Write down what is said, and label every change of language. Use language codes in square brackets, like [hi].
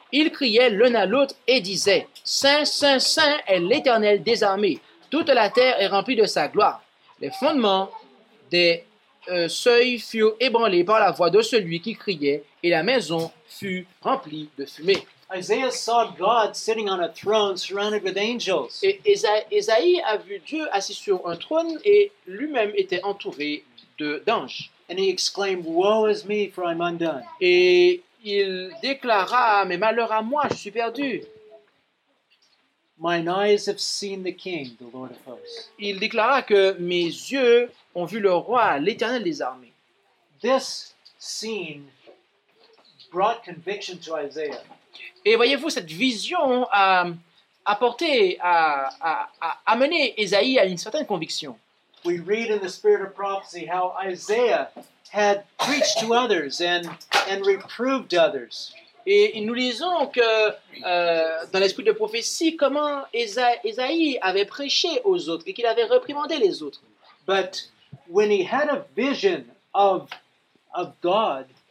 [fr] Ils criaient l'un à l'autre et disaient, Saint, Saint, Saint est l'Éternel des armées. Toute la terre est remplie de sa gloire. Les fondements des seuils furent ébranlés par la voix de celui qui criait, et la maison fut remplie de fumée. [en] Isaiah saw God sitting on a throne surrounded with angels. [fr] Et Isaïe a vu Dieu assis sur un trône et lui-même était entouré d'anges. [en] And he exclaimed, "Woe is me, for I'm undone." [fr] Et il déclara, "Mais malheur à moi, je suis perdu." [en] "Mine eyes have seen the King, the Lord of hosts." [fr] Il déclara que mes yeux ont vu le roi, l'Éternel des armées. [en] This scene brought conviction to Isaiah. [fr] Et voyez-vous, cette vision a apporté, a amené Ésaïe à une certaine conviction. [en] We read in the spirit of prophecy how Isaiah had preached to others and reproved others. [fr] Et nous lisons que dans l'esprit de prophétie, comment Ésaïe avait prêché aux autres et qu'il avait réprimandé les autres. [en] But when he had a vision of God,